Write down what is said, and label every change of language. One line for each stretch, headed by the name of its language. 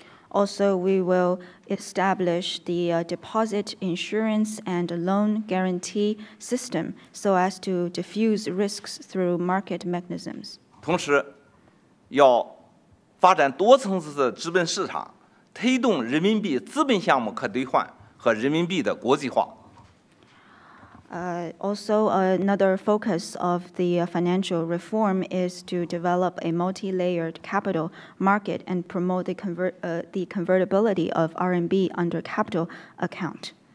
English: Also, we will establish the deposit insurance and loan guarantee system so as to diffuse risks through market mechanisms.
Chinese: 同时，要发展多层次的资本市场, 推动人民币资本项目可兑换和人民币的国际化。
English: Also, another focus of the financial reform is to develop a multi-layered capital market and promote the convertibility of RMB under capital account.